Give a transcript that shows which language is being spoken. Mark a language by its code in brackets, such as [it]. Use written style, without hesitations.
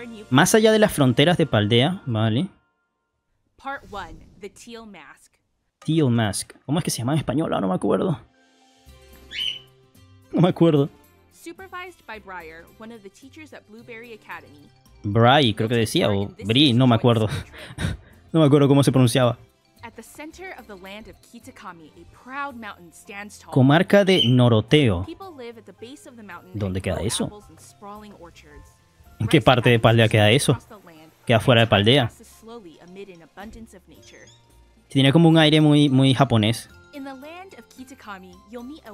[es] Más allá de las fronteras de Paldea, vale. [en] Part 1, the teal mask. Teal mask. [es] ¿Cómo es que se llama en español? Ah, no me acuerdo. No me acuerdo. [en] Supervised by Briar, one of the teachers at Blueberry Academy. [es] Bri, creo que decía, o Bri, no me acuerdo. No me acuerdo cómo se pronunciaba. [en] At the center of the land of Kitakami, a proud mountain stands tall. [es] Comarca de Noroteo. [en] People live at the base of the mountain. [es] ¿Dónde queda eso? [en] And sprawling orchards. [es] ¿En qué parte de Paldea queda eso? Queda fuera de Paldea. [en] Slowly amid an abundance of nature. [es] Tiene como un aire muy, muy japonés. [en] In the land of Kitakami, you'll meet a